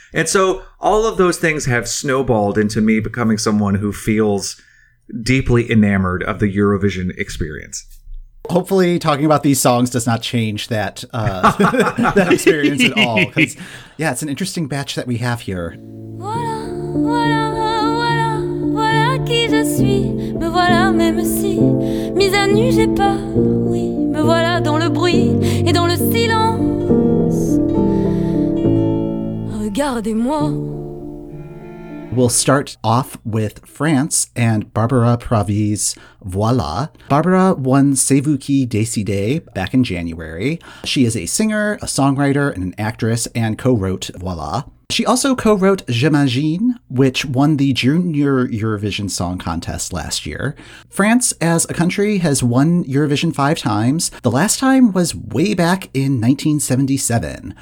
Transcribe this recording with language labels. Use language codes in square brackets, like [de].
[en] And so all of those things have snowballed into me becoming someone who feels deeply enamored of the Eurovision experience. Hopefully talking about these songs does not change that that experience at all. Because, yeah, it's an interesting batch that we have here. [fr] Voilà, voilà, voilà, voilà qui je suis. Me voilà même si, mise à nu j'ai peur, oui. Me voilà dans le bruit et dans le silence. Regardez-moi. [en] We'll start off with France and Barbara Pravi's Voila. Barbara won C'est vous qui décidez back in January. She is a singer, a songwriter, and an actress, and co-wrote Voila. She also co-wrote J'imagine, which won the Junior Eurovision Song Contest last year. France, as a country, has won Eurovision 5 times. The last time was way back in 1977.